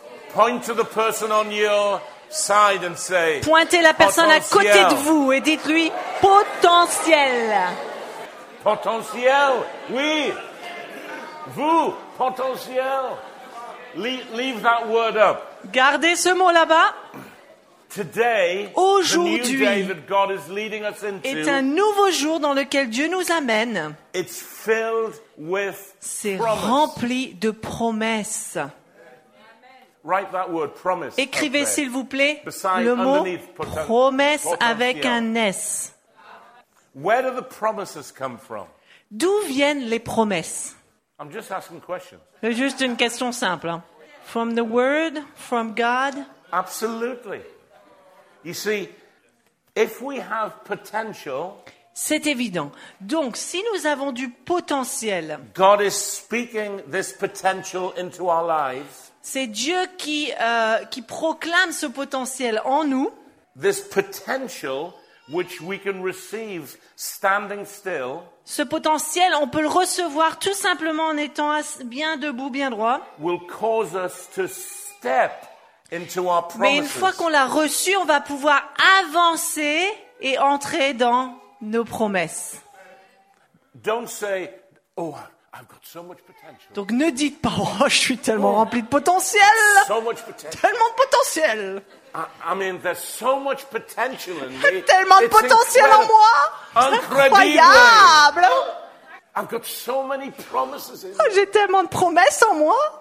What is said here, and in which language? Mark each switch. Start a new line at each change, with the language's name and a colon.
English: Point to the person on your side and say,
French: pointez la personne potentiel. À côté de vous et dites-lui potentiel. Potentiel, oui. Vous, potentiel.
English: Leave that word up.
French: Gardez ce mot là-bas.
English: Today,
French: aujourd'hui,
English: the new day that God is leading us into,
French: est un nouveau jour dans lequel Dieu nous amène.
English: It's filled with
French: c'est
English: promise.
French: Rempli de promesses.
English: Amen. Write that word, promise.
French: Écrivez
English: okay.
French: S'il vous plaît beside, le mot promesse avec un S.
English: Where do the promises come from?
French: D'où viennent les promesses?
English: I'm just asking questions.
French: C'est juste une question simple.
English: From the word, from God? Absolutely. You see, if we have potential,
French: c'est évident. Donc, si nous avons du potentiel,
English: God is speaking this potential into our lives,
French: c'est Dieu qui proclame ce potentiel en nous.
English: This potential which we can receive standing still,
French: ce potentiel, on peut le recevoir tout simplement en étant bien debout, bien droit.
English: Will cause us to step into our promises.
French: Mais une fois qu'on l'a reçu, on va pouvoir avancer et entrer dans nos promesses.
English: Don't say, oh, I've got so much potential.
French: Donc ne dites pas, oh, je suis tellement rempli de potentiel.
English: So much potential.
French: Tellement de potentiel.
English: I mean, there's so much potential in me.
French: Tellement de potentiel en moi. Incroyable. Incroyable.
English: I've got so many promises in
French: me. J'ai tellement de promesses en moi.